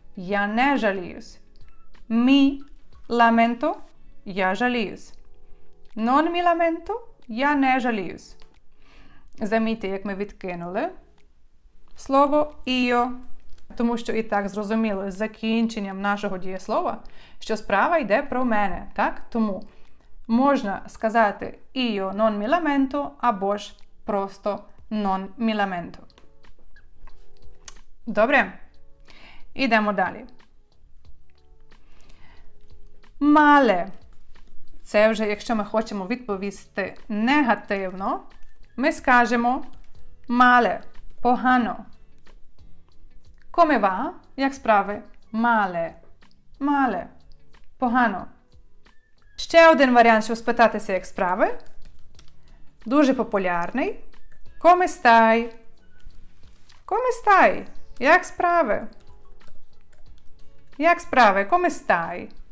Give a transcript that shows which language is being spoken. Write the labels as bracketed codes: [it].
[uk] Я не жаліюсь. [it] Mi lamento. [uk] Я жаліюсь. [it] Non mi lamento, [uk] я не жаліюсь. Замітьте, як ми відкинули слово io. Тому що і так зрозуміло з закінченням нашого дієслова, що справа йде про мене. Так? Тому можна сказати [it] io non mi lamento [uk] або ж просто [it] non mi lamento. [uk] Добре? Ідемо далі. [it] Male. [uk] Це вже, якщо ми хочемо відповісти негативно, ми скажемо male, погано. [it] Come va? [uk] Як справи? [it] Male, male, [uk] погано. Ще один варіант, щоб спитатися, як справи. Дуже популярний. [it] Come stai? Come stai? [uk] Як справи? Як справи? [it] Come stai?